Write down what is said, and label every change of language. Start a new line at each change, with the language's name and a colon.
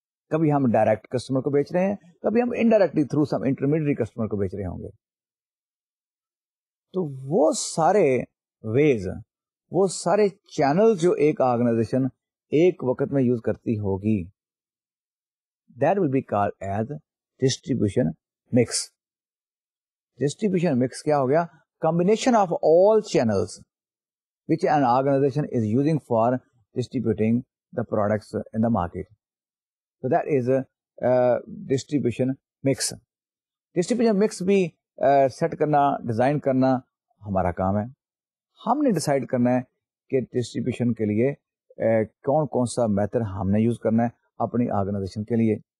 Urdu: کبھی ہم direct customer کو بیچ رہے ہیں, کبھی ہم انڈائریکٹلی تھرو سم انٹرمیڈیٹری کسٹمر کو بیچ رہے ہوں گے. تو وہ سارے ویز وہ سارے چینل جو ایک آرگنائزیشن ایک وقت میں یوز کرتی ہوگی
English: That will be call as distribution mix. Distribution mix
Urdu: کیا ہو گیا؟
English: Combination of all channels which an organisation is using for distributing the products in the market. So that is distribution mix.
Urdu: Distribution mix بھی set کرنا design کرنا ہمارا کام ہے. ہم نے decide کرنا ہے کہ ڈسٹریبیوشن کے لیے کون کون سا میتھڈ ہم نے یوز کرنا ہے اپنی آرگنائزیشن کے لیے.